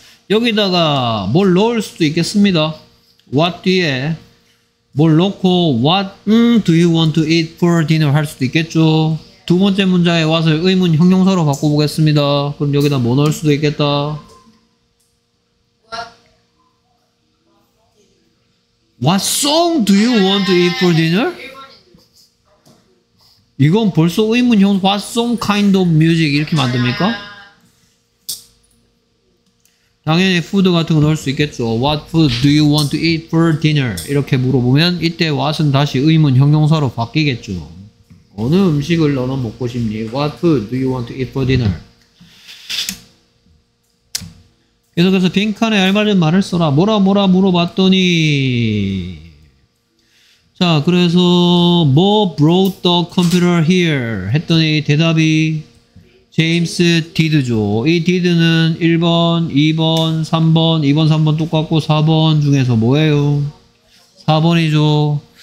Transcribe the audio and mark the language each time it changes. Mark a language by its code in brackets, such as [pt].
[ko] 여기다가 뭘 넣을 수도 있겠습니다. [en] What [ko] 뒤에 뭘 넣고 [en] What do you want to eat for dinner [ko] 할 수도 있겠죠. 두 번째 문장의 what을 의문 형용사로 바꿔보겠습니다. 그럼 여기다 뭐 넣을 수도 있겠다. [en] What song do you want to eat for dinner? [ko] 이건 벌써 의문 형용사. [en] What song kind of music [ko] 이렇게 만듭니까? 당연히 푸드 같은 거 넣을 수 있겠죠. [en] What food do you want to eat for dinner? [ko] 이렇게 물어보면 이때 what은 다시 의문 형용사로 바뀌겠죠. 어느 음식을 너는 먹고 싶니? [en] What food do you want to eat for dinner? [ko] 계속해서 빈칸에 알맞은 말을 써라. 뭐라 뭐라 물어봤더니 자 그래서 뭐 [en] brought the computer here [ko] 했더니 대답이 제임스 디드죠. 이 디드는 1번, 2번, 3번, 2번, 3번 똑같고 4번 중에서 뭐예요? 4번이죠.